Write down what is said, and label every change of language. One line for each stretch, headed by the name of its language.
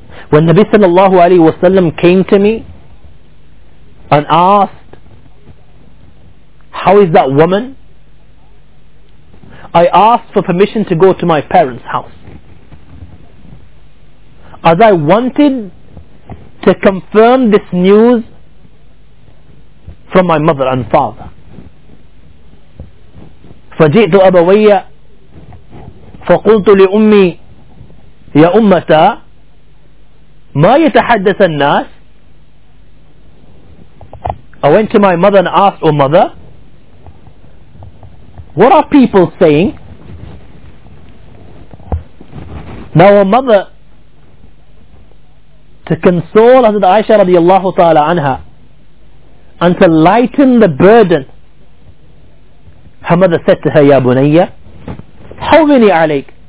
English: When Nabi sallallahu alayhi wasallam came to me and asked, how is that woman? I asked for permission to go to my parents' house, as I wanted to confirm this news from my mother and father.
Arabic: فجئت أبوي فقلت لأمي يا أمتا ما يتحدث الناس.
English: I went to my mother and asked, oh mother, what are people saying? Now, oh mother, to console Hazrat Aisha radiallahu ta'ala anha and to lighten the burden, her mother said to her, ya bunayya, how many alayk?